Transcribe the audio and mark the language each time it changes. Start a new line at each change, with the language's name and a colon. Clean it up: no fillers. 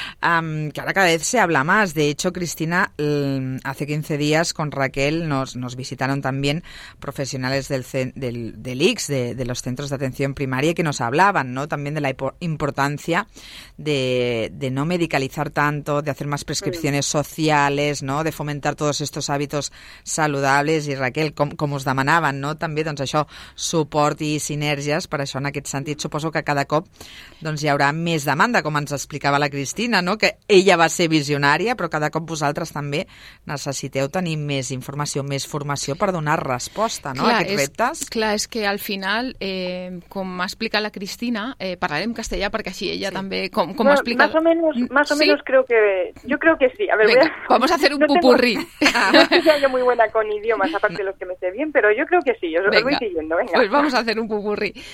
Spanish: Que ahora cada vez se habla más. De hecho, Cristina, hace 15 días con Raquel nos visitaron también profesionales del ICS, de los centros de atención primaria, que nos hablaban, ¿no?, también de la importancia de no medicalizar tanto, de hacer más prescripciones sociales, ¿no?,
Catalan: de fomentar tots aquests hàbits saludables. I Raquel, com us demanaven, no? També, doncs això, suport i sinergies, per això en aquest sentit suposo que cada cop doncs hi haurà més demanda, com ens explicava la Cristina, no? Que ella va ser visionària, però cada cop vosaltres també necessiteu tenir més informació, més formació per donar resposta, no? Clar, a aquests reptes. Clar, és que al final, com m'ha explicat la Cristina, parlarem castellà perquè així ella sí. També... Com
Spanish: no, explica... Más o menos, creo que... Yo creo que sí. A ver, venga, voy a... Vamos a hacer un pupurrí. No soy muy buena con idiomas, aparte de los que me sé bien, pero yo creo que sí, os venga. Voy siguiendo, venga. Pues vamos a hacer un pupurrí.